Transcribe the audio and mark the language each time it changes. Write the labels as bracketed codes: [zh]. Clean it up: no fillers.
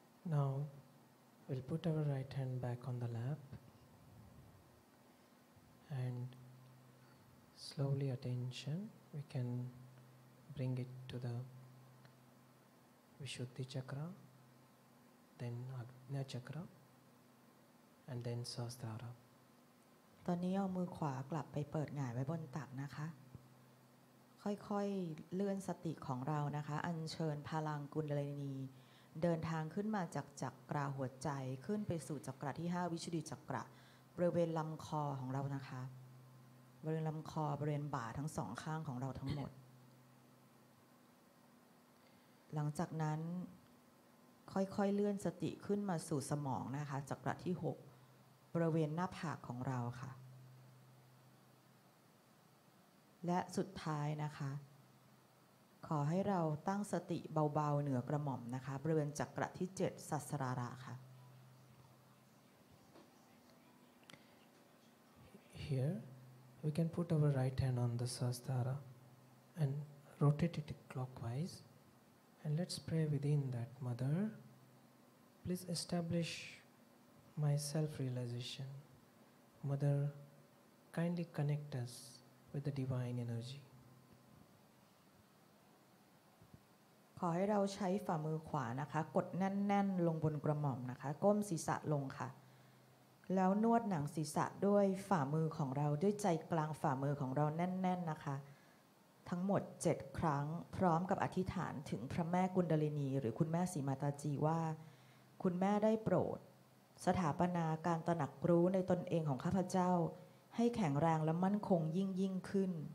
[en] Now we'll put our right hand back on the lap and slowly attention we can bring it to the Vishuddhi chakra, then Ajna chakra and then Sahasrara. [th] ตอนนี้เอามือขวากลับไปเปิดหงายไว้บนตักนะคะค่อยๆเลื่อนสติของเรานะคะอัญเชิญพลังกุลินีเดินทางขึ้นมาจากจักรหัวใจขึ้นไปสู่จักรที่5วิชุดิจักระบริเวณลำคอของเรานะคะบริเวณลำคอบริเวณบ่าทั้งสองข้างของเราทั้งหมด หลังจากนั้นค่อยๆเลื่อนสติขึ้นมาสู่สมองนะคะจักรที่6บริเวณหน้าผากของเราค่ะและสุดท้ายนะคะขอให้เราตั้งสติเบาๆเหนือกระหม่อมนะคะบริเวณจักรที่7สัสราระค่ะ [en] Here we can put our right hand on the sastara and rotate it clockwise and let's pray within that mother please establish my self realization mother kindly connect us with the divine energy [th] ขอให้เราใช้ฝ่ามือขวานะคะกดแน่นๆลงบนกระหม่อมนะคะก้มศีรษะลงค่ะแล้วนวดหนังศีรษะด้วยฝ่ามือของเราด้วยใจกลางฝ่ามือของเราแน่นๆนะคะทั้งหมด7ครั้งพร้อมกับอธิษฐานถึงพระแม่กุณฑลินีหรือคุณแม่สีมาตาจีว่าคุณแม่ได้โปรดสถาปนาการตระหนักรู้ในตนเองของข้าพเจ้าให้แข็งแรงและมั่นคงยิ่งขึ้น